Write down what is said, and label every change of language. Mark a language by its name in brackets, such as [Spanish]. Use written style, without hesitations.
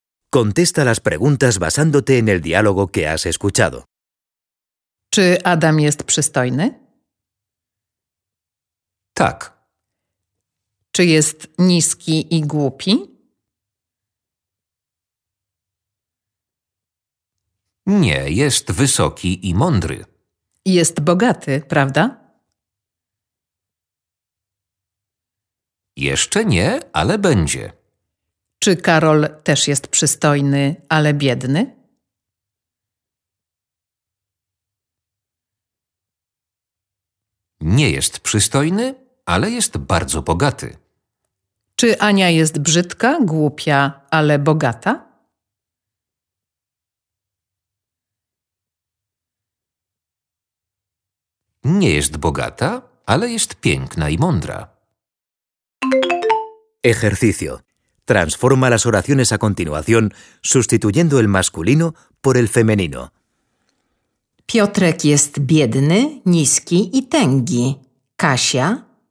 [Spanish] Contesta las preguntas basándote en el diálogo que has escuchado. [Polish] Czy Adam jest przystojny? Tak. Czy jest niski i głupi? Nie, jest wysoki i mądry. Jest bogaty, prawda? Jeszcze nie, ale będzie. Czy Karol też jest przystojny, ale biedny? Nie jest przystojny, ale jest bardzo bogaty. Czy Ania jest brzydka, głupia, ale bogata? Nie jest bogata, ale jest piękna i mądra. [Spanish] Ejercicio. Transforma las oraciones a continuación, sustituyendo el masculino por el femenino. [Polish] Piotrek jest biedny, niski i tęgi. Kasia?